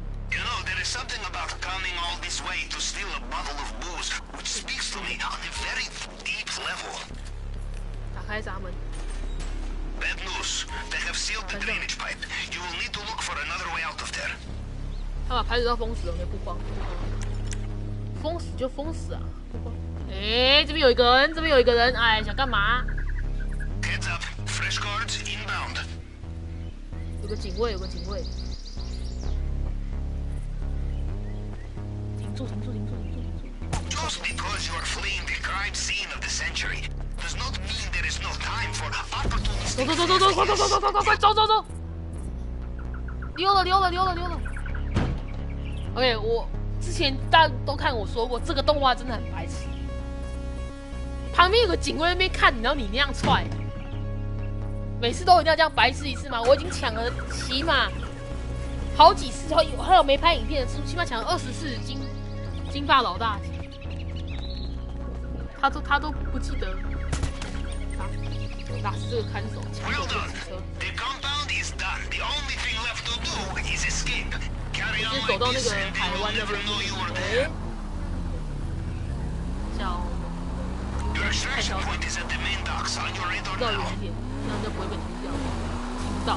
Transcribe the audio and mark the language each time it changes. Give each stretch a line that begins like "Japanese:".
English: You know, there is something about coming all this way to steal a bottle of booze which speaks to me on a very deep level. Bad news. They have sealed the drainage pipe. You will need to look for another way out of there. They have sealed the drainage pipe. You will need to look for another way out of there.
Chinese: 封死就封死啊！这边有一个人，哎，想干嘛？
English: Heads up, fresh guards inbound.
Chinese: 有个警卫。停住！
English: Just because you are fleeing the crime scene of the century does not mean there is no time for opportunity.
Chinese: 走！溜了。OK， 我。之前大家都看我说过，这个动画真的很白痴。旁边有个警卫那边看，然后你那样踹，然每次都一定要这样白痴一次吗？我已经抢了起码好几次，还有没拍影片的次数，起码抢了24金发老大。他都不记得。那是这个看守抢走了车。
English: The compound is done. The only thing left to do is escape.
Chinese: Carry on. 先走到那个海湾那边。哎、欸，叫。
English: Your extraction point is at the main docks on your radar.
Chinese: 绕远一点，这样就不会被听到。